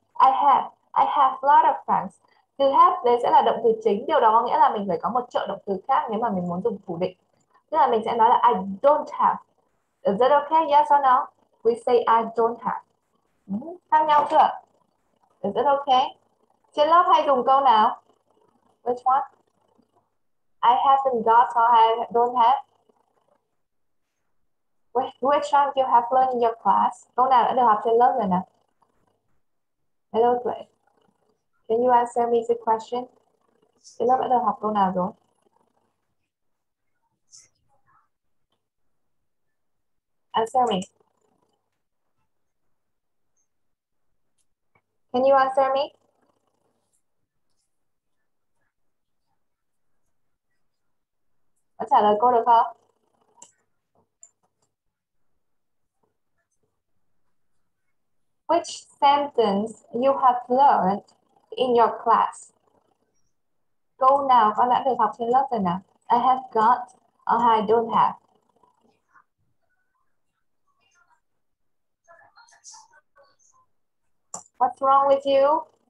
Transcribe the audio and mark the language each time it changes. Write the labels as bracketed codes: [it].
[en] I have a lot of friends. [vi] Từ have đấy sẽ là động từ chính. Điều đó có nghĩa là mình phải có một trợ động từ khác nếu mà mình muốn dùng phủ định. Tức là mình sẽ nói là [en] I don't have. Is that okay? Yes or no? We say I don't have. [vi] Khác nhau chưa? [en] Is that okay? [vi] Trên lớp hay dùng câu nào? [en] Which one? I haven't got or I don't have. Which one you have learned in your class? [vi] Câu nào đã được học trên lớp rồi nào? [en] Hello, Clay. Can you answer me the question? [vi] Trên lớp đã được học câu nào rồi? [en] Answer me. Can you answer me? [vi] Có trả lời cô được không? [en] Which sentence you have learned in your class? [vi] Câu nào con đã được học trên lớp rồi nào? [en] I have got or I don't have. What's wrong with you?